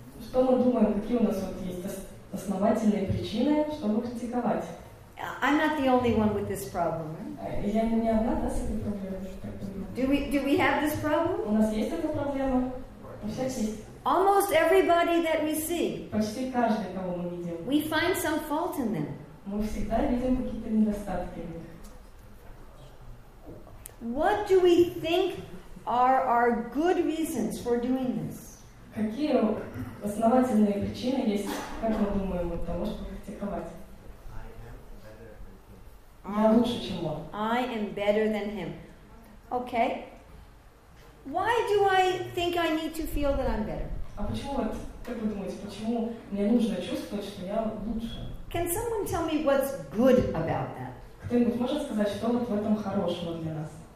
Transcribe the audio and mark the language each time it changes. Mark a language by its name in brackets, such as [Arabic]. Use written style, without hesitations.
[Russian] Что мы думаем, какие у нас вот есть основательные причины, чтобы критиковать? [English] I'm not the only one with this problem. [Russian] Я не одна, да, с этой проблемой. [English] Do we have this problem? [Russian] У нас есть эта проблема. У всех есть. [English] Almost everybody that we see, [Russian] почти каждый, кого мы видим, [English] we find some fault in them. [Russian] Мы всегда видим какие-то недостатки в них. [English] What do we think are our good reasons for doing this? [Russian] Какие основательные причины есть, как мы думаем, от того, чтобы критиковать? Я лучше, чем он. [English] I am better than him. Okay. Why do I think I need to feel that I'm better? [Russian] А почему вот, как вы думаете, почему мне нужно чувствовать, что я лучше? [English] Can someone tell me what's good about that? [Russian] Кто-нибудь может сказать, что вот в этом хорошего для нас?